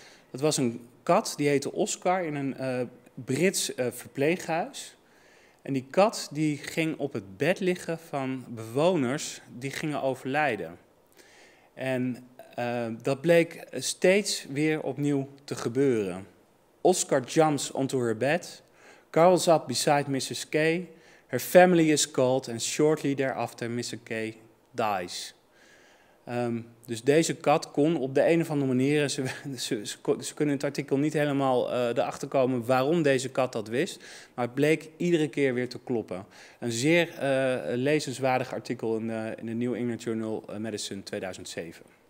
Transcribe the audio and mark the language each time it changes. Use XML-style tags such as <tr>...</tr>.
<nl>Dat was een kat, die heette Oscar, in een Brits verpleeghuis. En die kat die ging op het bed liggen van bewoners die gingen overlijden. En dat bleek steeds weer opnieuw te gebeuren.</nl> <en>Oscar jumps onto her bed, curls up beside Mrs. K. Her family is called and shortly thereafter Mrs. K dies.</en> <nl>Dus deze kat kon op de een of andere manier, ze kunnen in het artikel niet helemaal erachter komen waarom deze kat dat wist, maar het bleek iedere keer weer te kloppen. Een zeer lezenswaardig artikel in de New England Journal of Medicine 2007.</nl>